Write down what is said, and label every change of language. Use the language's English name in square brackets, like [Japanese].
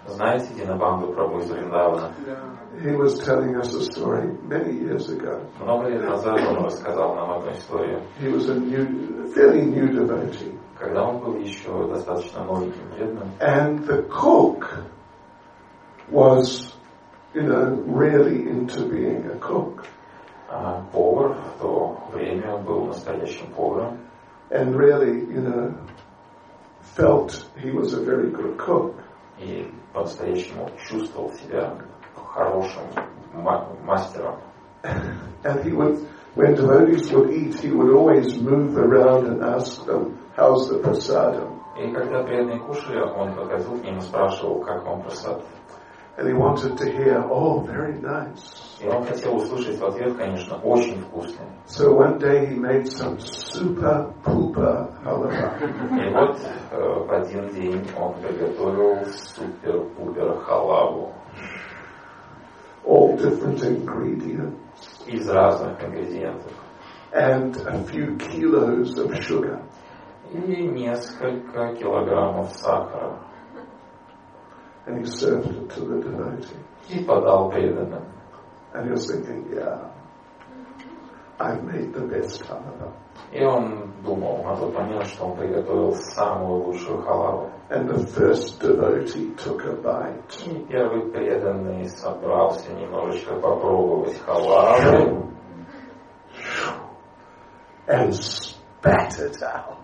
[Russian] Знаете Дина Банду Прабу из Вриндавана? [English] He was telling us a story many years ago. [Russian] Много лет назад он рассказал нам одну историю. [English] He was a new, fairly new devotee. [Russian] Когда он был еще достаточно новеньким преданным. [English] And the cook was, you know, really into being a cook. [Russian] Повар в то время был настоящим поваром. [English] And really, you know, felt he was a very good cook. [Russian] И по-настоящему чувствовал себя хорошим мастером. [English] And he would, when devotees would eat, he would always move around and ask them, how's the prasadam? [Russian] И когда преданные кушали, он подходил к ним и спрашивал, как вам прасад? [English] And he wanted to hear, oh, very nice. [Russian] И он хотел услышать в ответ, конечно, очень вкусно. [English] So one day he made some super pupa halva. [Russian] И вот в один день он приготовил супер пупер халаву. [English] All different ingredients. [Russian] Из разных ингредиентов. [English] And a few kilos of sugar. [Russian] И несколько килограммов сахара. [English] And he served it to the devotee. [Russian] И подал преданным. [English] And he was thinking, yeah, I made the best halava. [Russian] И он думал на тот момент, что он приготовил самую лучшую халаву. [English] And the first devotee took a bite. [Russian] И первый преданный собрался немножечко попробовать халаву. [English] And spat it out.